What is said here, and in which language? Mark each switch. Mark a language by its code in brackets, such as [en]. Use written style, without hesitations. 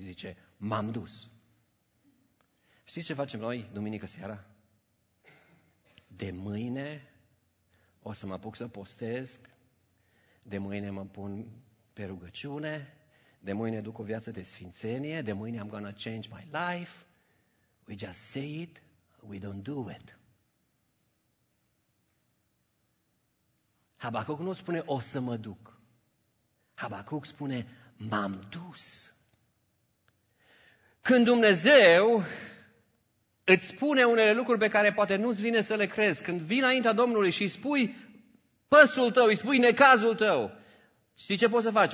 [ro] Zice, m-am dus. Știți ce facem noi duminică seara? De mâine o să mă apuc să postez, de mâine mă pun pe rugăciune, de mâine duc o viață de sfințenie, de mâine [en] I'm gonna change my life. We just say it, we don't do it. [ro] Habacuc nu spune o să mă duc. Habacuc spune m-am dus. Când Dumnezeu îți spune unele lucruri pe care poate nu-ți vine să le crezi, când vii înaintea Domnului și îi spui păsul tău, îi spui necazul tău, știi ce poți să faci?